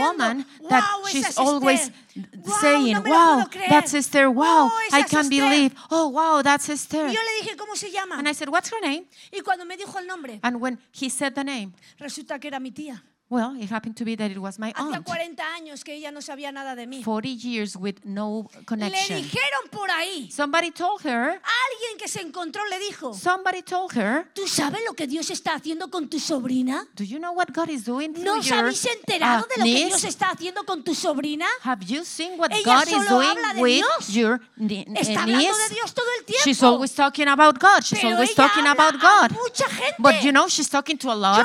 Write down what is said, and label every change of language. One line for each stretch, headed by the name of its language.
English: a woman that wow, she's always wow, saying, no wow, that's Esther, wow, oh, I can't believe, oh, wow, that's Esther.
Spanish: Y yo le dije, ¿cómo se llama?
English: And I said, what's her name?
Spanish: Y cuando me dijo el nombre,
English: and when he said the name,
Spanish: resulta que era mi tía.
English: Well, it happened to be that it was my aunt.
Spanish: Hacía 40 años que ella no sabía nada de mí.
English: 40 years with no connection.
Spanish: Le dijeron por ahí.
English: Somebody told her.
Spanish: Alguien que se encontró le dijo.
English: Somebody told her.
Spanish: ¿Tú sabes lo que Dios está haciendo con tu sobrina?
English: Do you know what God is doing to your niece?
Spanish: ¿No habéis enterado de lo que Dios está haciendo con tu sobrina?
English: Have you seen what God is doing with your niece?
Spanish: Está hablando de Dios todo el tiempo.
English: She's always talking about God. She's
Spanish: Pero
English: always talking about God.
Spanish: A mucha gente.
English: But you know, she's talking to a lot